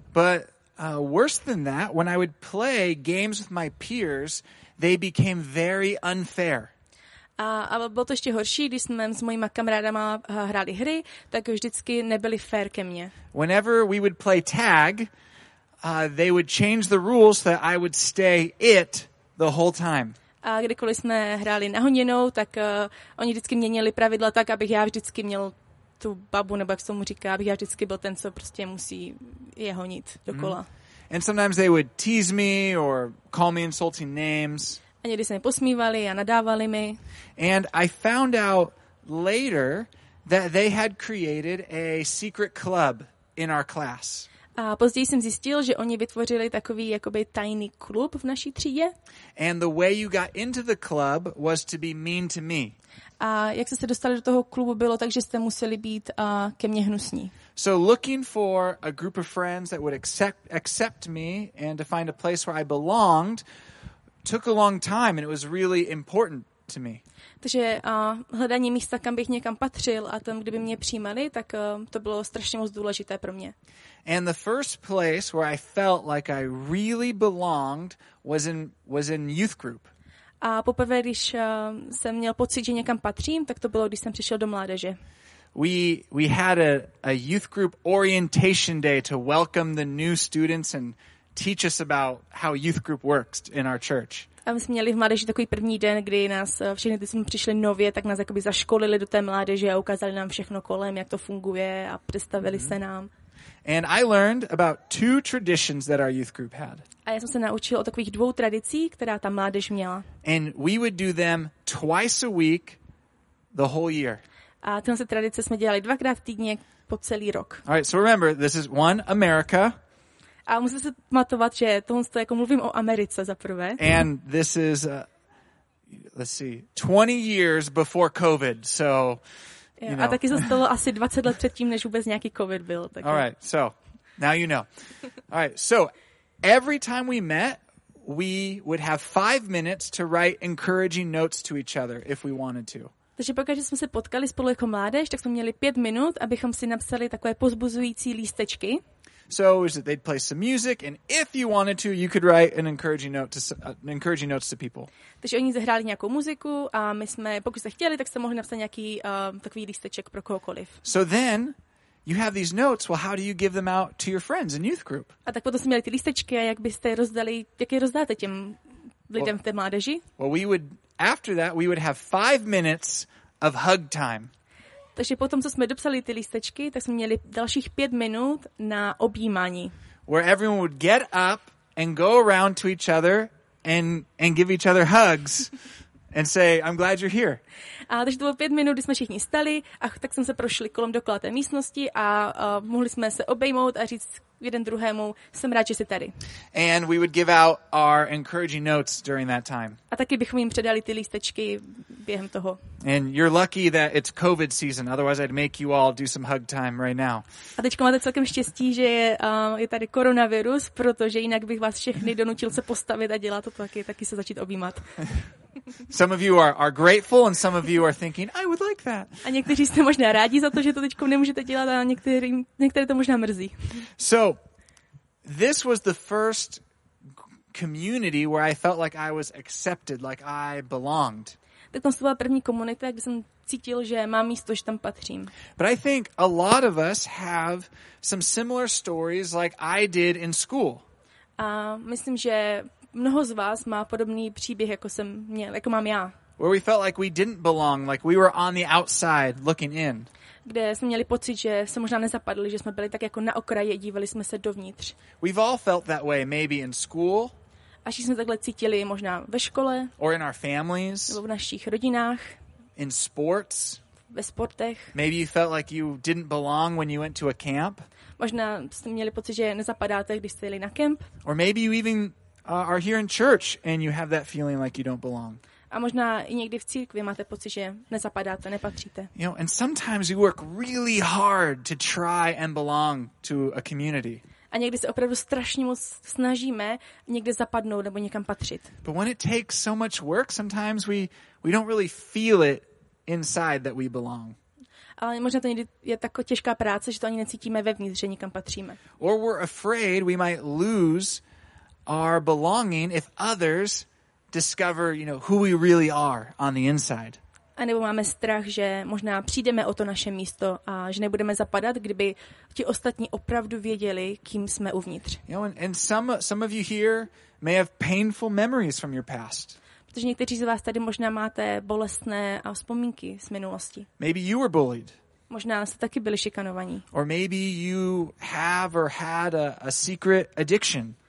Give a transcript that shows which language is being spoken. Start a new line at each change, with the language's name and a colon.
English: But worse than that, when I would play games with my peers, they became very unfair.
Czech: A bylo to ještě horší, když jsme s mojima kamarádama hráli hry, tak vždycky nebyli fair ke mně.
English: Whenever we would play tag, they would change the rules so that I would stay it the whole time.
Czech: A kdykoliv jsme hráli nahoněnou, tak oni vždycky měnili pravidla tak, abych já vždycky měl tu babu, nebo jak se mu říká, abych já vždycky byl ten, co prostě musí je honit dokola.
English: And sometimes they would tease me or call me insulting names.
Czech: A někdy se mi posmívali a nadávali mi.
English: And I found out later that they had created a secret club in our class.
Czech: A později jsem zjistil, že oni vytvořili takový jakoby tajný klub v naší třídě.
English: And the way you got into the club was to be mean to me.
Czech: A jak jste se dostali do toho klubu, bylo tak, že jste museli být ke mně hnusní.
English: So looking for a group of friends that would accept me and to find a place where I belonged took a long time and it was really important to me.
Czech: Takže hledání místa, kam bych někam patřil a tam, kdyby mě přijímali, tak to bylo strašně moc důležité pro mě.
English: And the first place where I felt like I really belonged was in youth group.
Czech: A poprvé, když jsem měl pocit, že někam patřím, tak to bylo, když jsem přišel do mládeže.
English: We had a youth group orientation day to welcome the new students and teach us about how youth group works in our church.
Czech: A my jsme měli v mládeži takový první den, kdy nás všechny, když jsme přišli nově, tak nás jakoby zaškolili do té mládeže a ukázali nám všechno kolem, jak to funguje a představili se nám.
English: And I learned about two traditions that our youth group had.
Czech: A já jsem se naučil o takových dvou tradicích, která ta mládež měla.
English: And we would do them twice a week the whole year.
Czech: A tyhle se tradice jsme dělali dvakrát týdně po celý rok.
English: All right, so remember, this is one America.
Czech: A musím se pamatovat, že tohle jako mluvím o Americe za prvé.
English: And this is let's see, 20 years before COVID. So you know.
Czech: A taky se stalo asi 20 let předtím, než vůbec nějaký COVID byl. Tak.
English: All right, so now you know. All right, so every time we met, we would have 5 minutes to write encouraging notes to each other if we wanted to.
Czech: Takže pokud jsme se potkali spolu jako mládež, tak jsme měli 5 minut, abychom si napsali takové pozbuzující lístečky.
English: So is it they'd play some music, and if you wanted to, you could write an encouraging note to encouraging notes to people.
Czech: Takže oni zahráli nějakou muziku a my jsme, pokud jste chtěli, tak jste mohli napsat nějaký takový lísteček pro kohokoliv.
English: So then you have these notes. Well, how do you give them out to your friends in youth group?
Czech: A tak potom jsme měli ty lístečky a jak byste je rozdali, jak je rozdáte těm lidem v té mládeži?
English: Well, we would after that we would have 5 minutes of hug time.
Czech: Takže potom, co jsme dopsali ty lístečky, tak jsme měli dalších 5 minut na objímání.
English: Where everyone would get up and go around to each other and give each other hugs and say, I'm glad you're here.
Czech: A takže to bylo 5 minut, kdy jsme všichni stali a tak jsme se prošli kolem dokola té místnosti a mohli jsme se obejmout a říct jeden druhému, jsem rád, že jsi tady.
English: And we would give out our encouraging notes during that time.
Czech: A taky bychom jim předali ty lístečky během toho.
English: And you're lucky that it's COVID season, otherwise I'd make you all do some hug time right now.
Czech: A teďka máte celkem štěstí, že je tady koronavirus, protože jinak bych vás všechny donutil se postavit a dělat to taky se začít objímat.
English: Some of you are grateful and some of you are thinking, I would like that.
Czech: A někteří jste možná rádi za to, že to teďko nemůžete dělat, a některé to možná mrzí.
English: So, this was the first community where I felt like I was accepted, like I belonged.
Czech: Tak to byla první komunita, kde jsem cítil, že mám místo, že tam patřím.
English: But I think a lot of us have some similar stories like I did in school.
Czech: A myslím, že mnoho z vás má podobný příběh, jako jsem měl, jako mám já.
English: Where we felt like we didn't belong, like we were on the outside looking in.
Czech: Kde jsme měli pocit, že se možná nezapadli, že jsme byli tak jako na okraji a dívali jsme se dovnitř.
English: We've all felt that way, maybe in school.
Czech: Až jsme takhle cítili možná ve škole.
English: Or in our families.
Czech: Nebo v našich rodinách.
English: In sports.
Czech: Ve sportech.
English: Maybe you felt like you didn't belong when you went to a camp.
Czech: Možná jste měli pocit, že nezapadáte, když jste jeli na kemp.
English: Or maybe you even are here in church and you have that feeling like you don't belong.
Czech: A možná i někdy v církvi máte pocit, že nezapadáte, nepatříte.
English: You know, and sometimes we work really hard to try and belong to a community.
Czech: A někdy se opravdu strašně moc snažíme někde zapadnout nebo někam patřit.
English: But when it takes so much work, sometimes we don't really feel it inside that we belong.
Czech: Ale možná to někdy je tak těžká práce, že to ani necítíme vevnitř, že někam patříme.
English: Or we're afraid we might lose our belonging if others discover, you know, who we really are on the inside.
Czech: A nebo máme strach, že možná přijdeme o to naše místo a že nebudeme zapadat, kdyby ti ostatní opravdu věděli, kým jsme uvnitř.
English: You know, and some of you here may have painful memories from your past.
Czech: Protože někteří z vás tady možná máte bolestné vzpomínky z minulosti.
English: Maybe you were bullied.
Czech: Možná jste taky byli šikanovaní.
English: Or maybe you have or had a secret addiction.